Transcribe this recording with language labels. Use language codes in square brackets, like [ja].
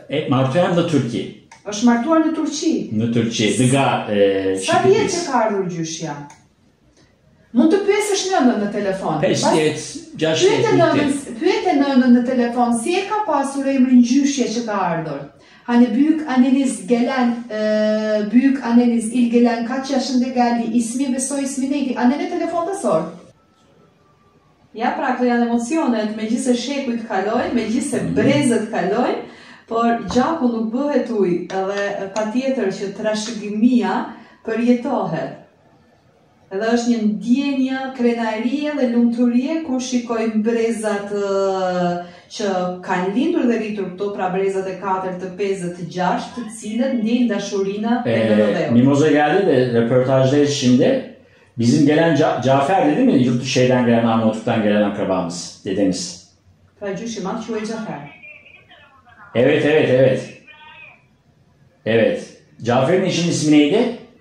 [sq] Marto hem në Turki. Është martuar në Turqi. Në Turqi. Dhe ga Sa vjet që ka ardhur gjyshja? Mund të pyesësh nënën në telefon. 5-10, 6-10. Pyete nënën në telefon, si e ka pasur emrin gjyshje që ka ardhur? [tr] Hani büyük anneniz gelen, büyük anneniz ilgelen, kaç yaşında geldi, ismi ve soy ismi neydi? Annene telefonda sor. [sq] Ja pra këto janë emocionet, me gjithë se shekujt kaloj, me gjithë se brezët kaloj, por gjaku nuk bëhet uj, edhe pa tjetër që trashëgimia përjetohet. Edhe është një ndjenja, krenarie dhe lumturie kur shikojmë brezat që kanë lindur dhe rritur këto, pra brezat e 4, të 5, të 6, të cilët ndjen dashurinë e Rodeo. [tr] Mimoza geldi de reportajda şimdi. Bizim gelen Cafer dedi mi? Yurt şeyden gelen, Arnavutluk'tan gelen akrabamız, dedemiz. [sq] Pra Cüşimat, Çuvay Cafer. [tr] Evet, evet, evet. Evet. Cafer'in eşinin ismi neydi?